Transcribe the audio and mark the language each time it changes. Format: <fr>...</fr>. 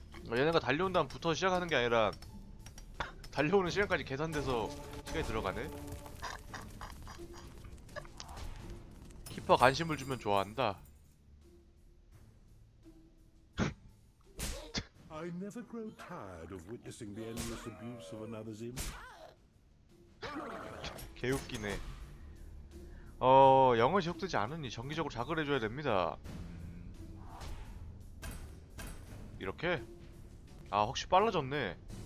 <ko>얘네가 달려온 다음부터 시작하는 게 아니라, 달려오는 시간까지 계산돼서 시간이 들어가네. 키퍼 관심을 주면 좋아한다.</ko> <en>I never grow tired of witnessing the endless abuse of another's imp.</en> <ko>개웃기네. 영어 지속되지 않으니 정기적으로 작을 해줘야 됩니다. 이렇게? 아, 확실히 빨라졌네.</ko>